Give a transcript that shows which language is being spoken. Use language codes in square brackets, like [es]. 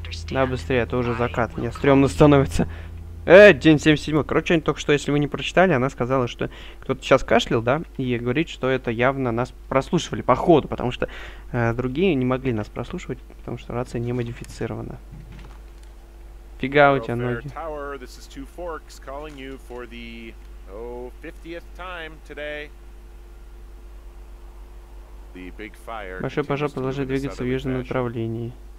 [ru] Да, быстрее, а то уже закат. Мне стрёмно становится. День 77. Короче, они только что, если вы не прочитали, она сказала, что кто-то сейчас кашлял, да, и говорит, что это явно нас прослушивали по ходу, потому что другие не могли нас прослушивать, потому что рация не модифицирована. Фига у тебя ноги. [en] Tower, this is Two Forks calling you for the 50th time today. The big fire. [ru] Большой пожар продолжает двигаться в южном направлении.